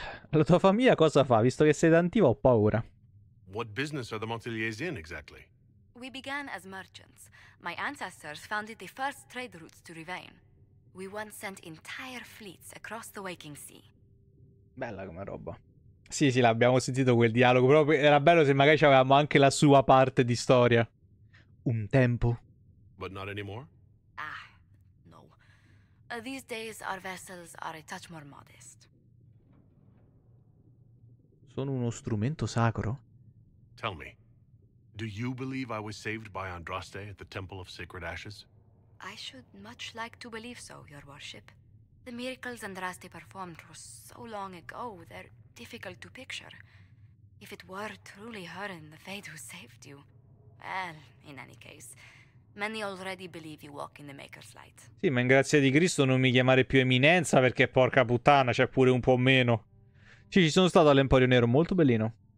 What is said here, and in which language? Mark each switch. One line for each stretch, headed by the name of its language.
Italian: La tua famiglia cosa fa? Visto che sei d'antico, ho paura.
English: What business are the Montelliers in exactly? We began as merchants. My ancestors founded the first trade routes to Rivain. We once sent entire fleets across the Waking Sea.
Italian: Bella come roba. Sì, l'abbiamo sentito quel dialogo. Però era bello se magari avevamo anche la sua parte di storia. Un tempo.
English: But not anymore? Ah, no. These days our vessels are a touch more modest.
Italian: Sono uno strumento sacro?
English: Tell me, do you believe I was saved by Andraste at the Temple of Sacred Ashes? I should much like to believe so, your worship. The miracles Andraste performed were so long ago, they're difficult to picture. If it were truly her and the Fate who saved you. Well, in any case, many already believe you walk in the Maker's Light.
Italian: Sì, ma in grazia di Cristo non mi chiamare più Eminenza, perché porca puttana, c'è pure un po' meno. Sì, ci sono stato all'Emporio Nero, molto bellino.